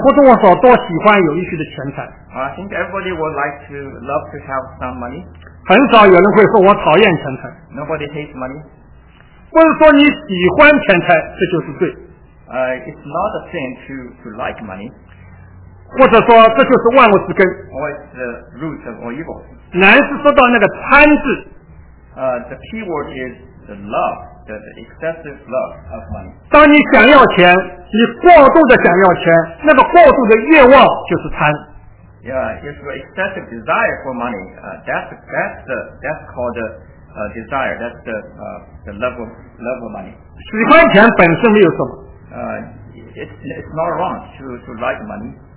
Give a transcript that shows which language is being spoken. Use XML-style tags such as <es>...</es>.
<zh>其实每一个人或多或少都喜欢有一些的钱财。</zh> <en>I think everybody would like to love to have some money.</en> <zh>很少有人会说我讨厌钱财。</zh> <en>Nobody hates money.</en> <zh>或者说你喜欢钱财，这就是罪。</zh> <en>It's not a sin to like money.</en> <zh>或者说这就是万物之根。</zh> <en>Or it's the root of all evil.</en> <zh>难是说到那个贪字。</zh> <en>The key word is the love, the excessive love of money.</en> <zh>当你想要钱，你过度的想要钱，那个过度的愿望就是贪。</zh> <en>Yeah, if you're excessive desire for money, that's called the desire. That's the love of money.</en> <zh>喜欢钱本身没有什么。</zh> <en>It's not wrong to like money.</en>